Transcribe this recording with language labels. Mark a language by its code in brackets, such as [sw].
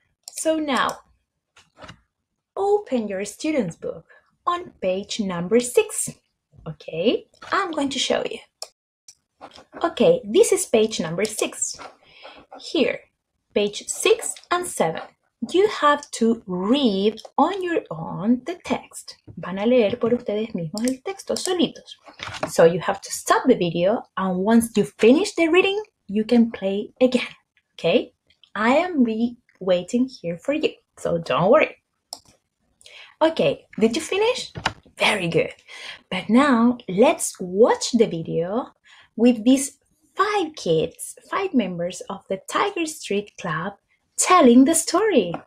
[en] So now, open your student's book on page number 6. Okay, I'm going to show you. Okay, this is page number 6. Here, page 6 and 7. You have to read on your own the text. [es] Van a leer por ustedes mismos el texto solitos. [en] So you have to stop the video and once you finish the reading, you can play again. Okay, I am waiting here for you, so don't worry. Okay, did you finish? Very good. But now let's watch the video with these 5 kids, 5 members of the Tiger Street Club telling the story.